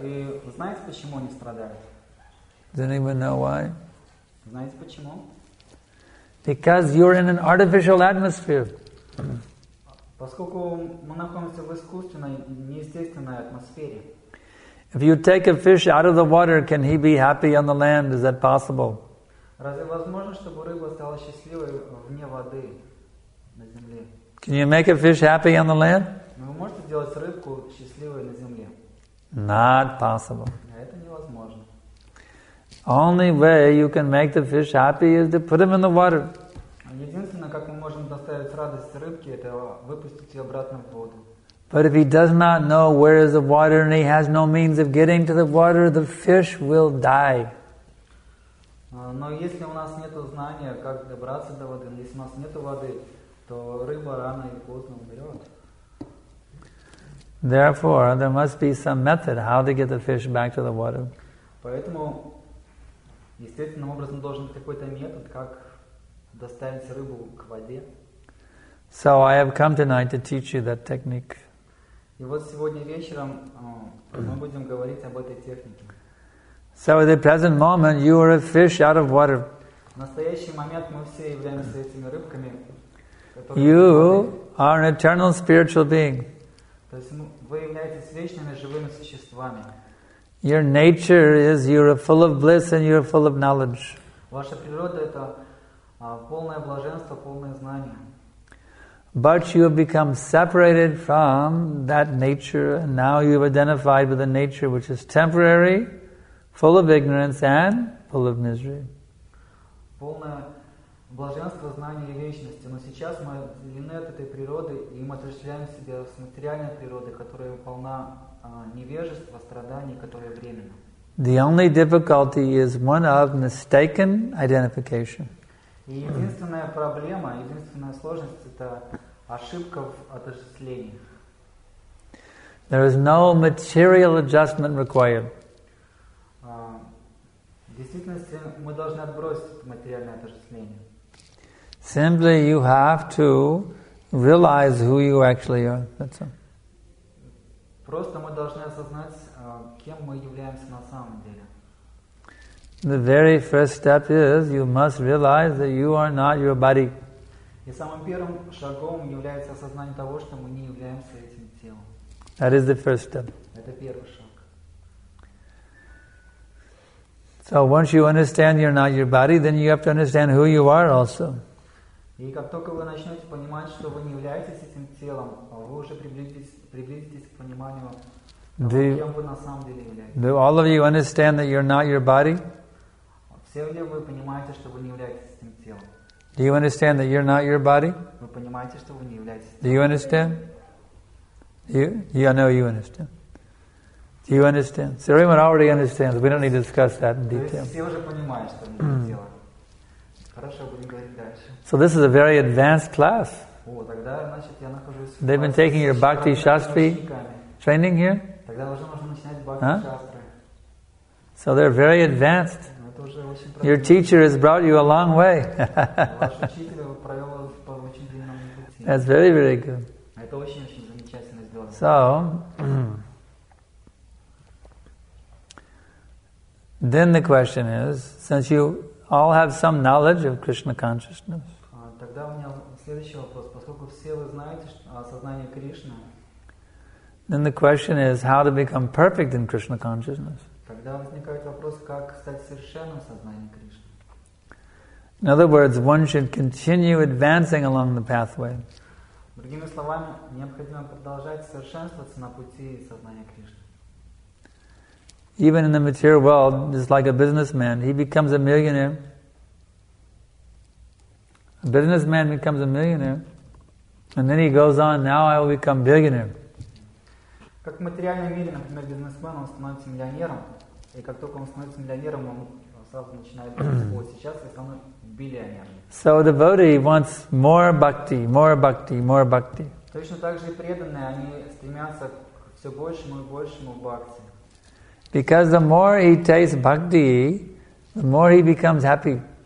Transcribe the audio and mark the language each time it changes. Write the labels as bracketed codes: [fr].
[ru] И вы знаете, почему они страдают? [en] Does anyone know why? [ru] Знаете почему? [en] Because you're in an artificial atmosphere. [ru] Поскольку мы находимся в искусственной, неестественной атмосфере. [en] If you take a fish out of the water, can he be happy on the land? Is that possible? [ru] Разве возможно, чтобы рыба стала счастливой вне воды, на земле? [en] Can you make a fish happy on the land? [ru] Вы можете сделать рыбку счастливой на земле? [en] Not possible. [ru] Это невозможно. [en] Only way you can make the fish happy is to put him in the water. [ru] Единственное, как мы можем доставить радость рыбке, это выпустить ее обратно в воду. [en] But if he does not know where is the water and he has no means of getting to the water, the fish will die. [ru] Но если у нас нет знания, как добраться до воды, если у нас нет воды, то рыба рано или поздно умрет. [en] Therefore, there must be some method how to get the fish back to the water. [ru] Поэтому естественным образом должен быть какой-то метод, как доставить рыбу к воде. [en] So I have come tonight to teach you that technique. [ru] И вот сегодня вечером мы будем говорить об этой технике. [en] So at the present moment you are a fish out of water. [ru] В настоящий момент мы все являемся этими рыбками. [en] You are an eternal spiritual being. [ru] То есть вы являетесь вечными живыми существами. [en] Your nature is you're full of bliss and you're full of knowledge. [ru] Ваша природа это полное блаженство, полное знание. [en] But you have become separated from that nature. Now you have identified with a nature which is temporary, full of ignorance and full of misery. [ru] Полное блаженство, знание и вечность. Но сейчас мы отделены от этой природы и мы отождествляем себя с материальной природой, которая полна невежество, страдания, которое временно. [en] The only difficulty is one of mistaken identification. [ru] И единственная проблема, единственная сложность – это ошибка в отождествлении. [en] There is no material adjustment required. [ru] В действительности мы должны отбросить материальное отождествление. [en] Simply you have to realize who you actually are. That's all. [ru] Просто мы должны осознать, кем мы являемся на самом деле. [en] The very first step is you must realize that you are not your body. [ru] И самым первым шагом является осознание того, что мы не являемся этим телом. [en] That is the first step. [ru] Это первый шаг. [en] So once you understand you're not your body, then you have to understand who you are also. [ru] И как только вы начнете понимать, что вы не являетесь этим телом, вы уже приблизитесь к пониманию того, кем вы на самом деле являетесь. [en] Do all of you understand that you're not your body? [ru] Все ли вы понимаете, что вы не являетесь этим телом? [en] Do you understand that you're not your body? [ru] Вы понимаете, что вы не являетесь этим телом? [en] Do you understand? I know you understand. Do you understand? So everyone already understands. We don't need to discuss that in detail. [ru] Все уже понимают, что вы не являетесь телом. Хорошо, будем говорить дальше. [en] So this is a very advanced class. [ru] О, тогда, значит, я нахожусь. [en] They've been taking your Bhakti Shastri training here? [ru] Тогда уже можно начинать Bhakti Shastri. [en] So they're very advanced. [ru] Это уже очень. [en] Your teacher has brought you a long way. [ru] Ваш учитель провел вас по очень длинному пути. [en] That's very, very good. [ru] Это очень-очень замечательно сделано. [en] So then the question is, since you all have some knowledge of Krishna consciousness. [ru] Тогда у меня следующий вопрос, поскольку все вы знаете о сознании Кришны. [en] Then the question is how to become perfect in Krishna consciousness. [ru] Тогда возникает вопрос, как стать совершенным в сознании Кришны. [en] In other words, one should continue advancing along the pathway. [ru] Другими словами, необходимо продолжать совершенствоваться на пути сознания Кришны. [en] Even in the material world, just like a businessman, he becomes a millionaire. A businessman becomes a millionaire, and then he goes on, now I will become billionaire. [ru] Как в материальном мире, например, бизнесмен, он становится миллионером, и как только он становится миллионером, он сразу начинает говорить, сейчас я стану миллионером. [en] So a devotee wants more bhakti, more bhakti, more bhakti. [ru] Точно так же и преданные, они стремятся к все большему и большему бхакти. [en] Because the more he tastes bhakti, the more he becomes happy.